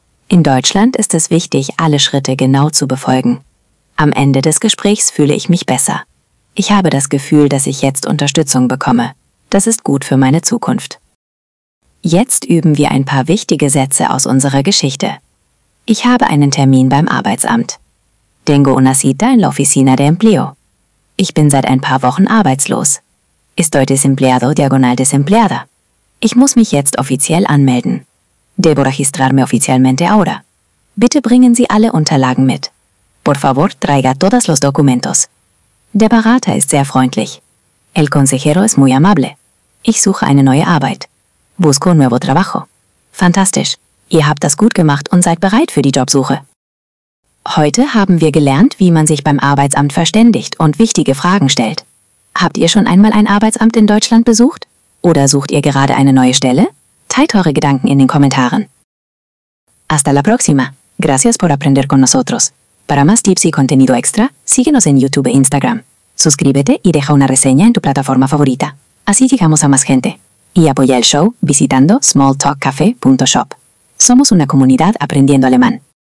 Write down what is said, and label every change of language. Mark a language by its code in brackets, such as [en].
[de] In Deutschland ist es wichtig, alle Schritte genau zu befolgen. Am Ende des Gesprächs fühle ich mich besser. Ich habe das Gefühl, dass ich jetzt Unterstützung bekomme. Das ist gut für meine Zukunft. Jetzt üben wir ein paar wichtige Sätze aus unserer Geschichte. Ich habe einen Termin beim Arbeitsamt. [es] Tengo una cita en la oficina de empleo. [de] Ich bin seit ein paar Wochen arbeitslos. [es] Estoy desempleado / desempleada. [de] Ich muss mich jetzt offiziell anmelden. [es] Debo registrarme oficialmente ahora. [de] Bitte bringen Sie alle Unterlagen mit. [es] Por favor, traiga todos los documentos. [de] Der Berater ist sehr freundlich. [es] El consejero es muy amable. [de] Ich suche eine neue Arbeit. [es] Busco un nuevo trabajo. [de] Fantastisch. Ihr habt das gut gemacht und seid bereit für die Jobsuche. Heute haben wir gelernt, wie man sich beim Arbeitsamt verständigt und wichtige Fragen stellt. Habt ihr schon einmal ein Arbeitsamt in Deutschland besucht? Oder sucht ihr gerade eine neue Stelle? Teilt eure Gedanken in den Kommentaren. [es] Hasta la próxima. Gracias por aprender con nosotros. Para más tips y contenido extra, síguenos en YouTube e Instagram. Suscríbete y deja una reseña en tu plataforma favorita. Así llegamos a más gente. Y apoya el show visitando smalltalkcafe.shop. Somos una comunidad aprendiendo alemán.